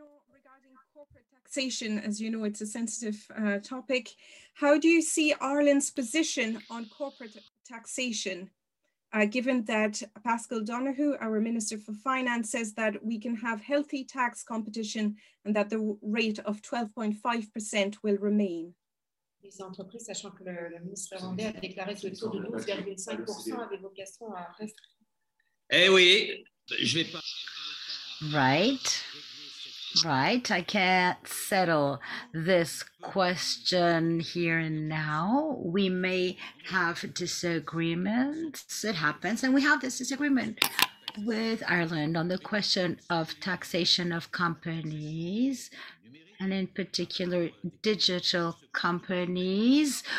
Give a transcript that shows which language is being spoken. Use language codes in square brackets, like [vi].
[en] Regarding corporate taxation, as you know, it's a sensitive topic. How do you see Ireland's position on corporate taxation, given that Pascal Donoghue, our Minister for Finance, says that we can have healthy tax competition and that the rate of 12.5% will remain? [fr] Les entreprises, sachant que le ministre irlandais a déclaré que le taux de 12,5% avait vocation à rester. Eh oui, je vais pas. [en] Right. Right, I can't settle this question here and now. We may have disagreements. It happens, and we have this disagreement with Ireland on the question of taxation of companies, and in particular digital companies.